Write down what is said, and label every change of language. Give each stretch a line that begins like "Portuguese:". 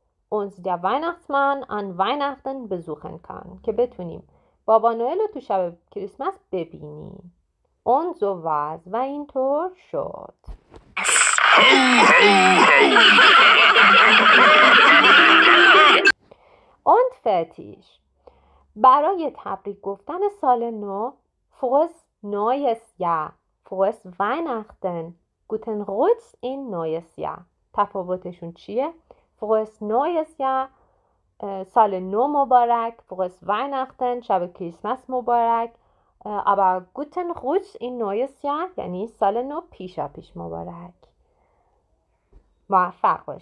German: uns der Weihnachtsmann an Weihnachten besuchen kann
Persian: که بتونیم بابا نوئل رو تو شب کریسمس ببینیم اون زو واز و اینطور شد
German: Und fertig.
Persian: برای تبریک گفتن سال نو
German: Frohes neues Jahr. Frohes Weihnachten. Guten Rutsch in neues Jahr.
Persian: تفاوتشون چیه؟
German: Frohes neues Jahr.
Persian: سال نو مبارک.
German: Frohes Weihnachten.
Persian: شب کریسمس مبارک.
German: Aber guten Rutsch in neues Jahr.
Persian: یعنی سال نو پیشا پیش مبارک. موفق باشید.